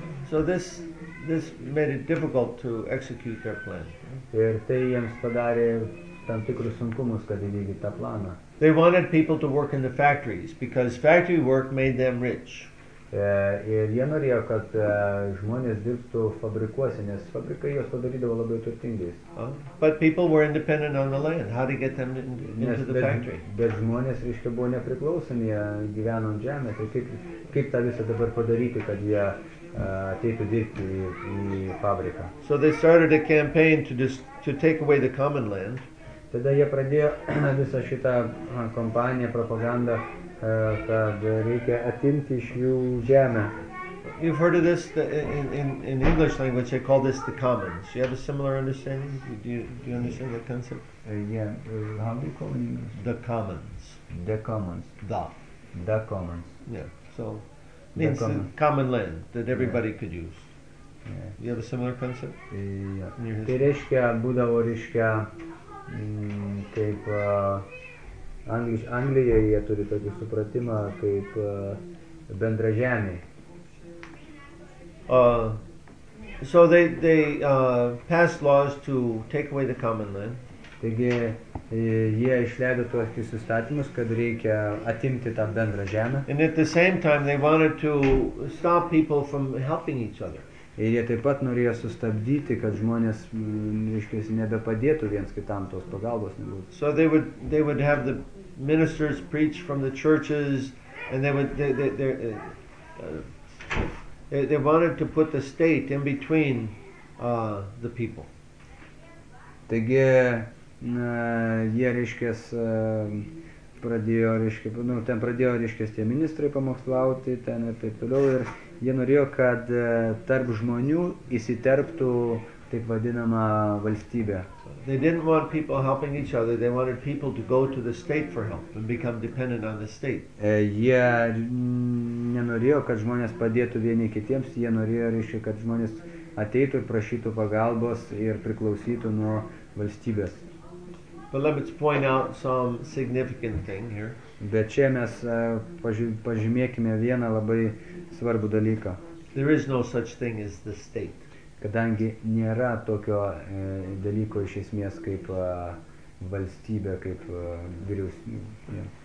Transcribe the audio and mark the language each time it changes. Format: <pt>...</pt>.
<en>So this made it difficult to execute their plan.</en> <lt>Ir tai jiems padarė tam tikrus sunkumus, kad įvykdyti tą planą.</lt> <en>They wanted people to work in the factories because factory work made them rich.</en> <lt>Ir jie norėjo, kad žmonės dirbtų fabrikuose, nes fabrikai juos padarydavo labai turtingais.</lt> <en>But people were independent on the land. How to get them into the factory?</en> <lt>Bet žmonės, reiškia, buvo nepriklausomi, jie gyveno ant žemės. Tai kaip tą visą dabar padaryti, kad jie ateitų dirbti į fabriką?</lt> <en>So they started a campaign to take away the common land.</en> <lt>Tada jie pradėjo visą šitą kompaniją, propagandą, kad reikia atimti iš jų žemę.</lt> <en>You've heard of this in English language, they call this the commons. You have a similar understanding? Do you understand that concept? Yeah. How do you call it in English? The commons. The commons. The. The commons. Yeah. So, means the common land that everybody could use. Yeah. You have a similar concept? Yeah.</en> <lt>Tai reiškia, būdavo reiškia, kaip Anglijoje jie turi tokį supratimą kaip bendražemiai.</lt> <en>So they passed laws to take away the common land.</en> <lt>Taigi jie išleido tokius įstatymus, kad reikia atimti tą bendrą žemę.</lt> <en>And at the same time they wanted to stop people from helping each other.</en> <lt>Ir jie taip pat norėjo sustabdyti, kad žmonės, reiškia, nebepadėtų viens kitam, tos pagalbos nebūtų.</lt> <en>So they would have the ministers preach from the churches, and they wanted to put the state in between the people.</en> <lt>Taigi, jie, reiškias, pradėjo, reiškia, nu, ten pradėjo, reiškias, tie ministrai pamokslauti, ten ir taip toliau, ir jie norėjo, kad tarp žmonių įsiterptų taip vadinama valstybė.</lt> <en>They didn't want people helping each other, they wanted people to go to the state for help and become dependent on the state.</en> <lt>Jie nenorėjo, kad žmonės padėtų vieni kitiems, jie norėjo, reiškia, kad žmonės ateitų ir prašytų pagalbos ir priklausytų nuo valstybės.</lt> <en>But let me point out some significant thing here.</en> <lt>Bet čia mes pažymėkime vieną labai svarbų dalyką.</lt> <en>There is no such thing as the state.</en> <lt>Kadangi nėra tokio dalyko iš esmės kaip valstybė, kaip vyriausybė.</lt>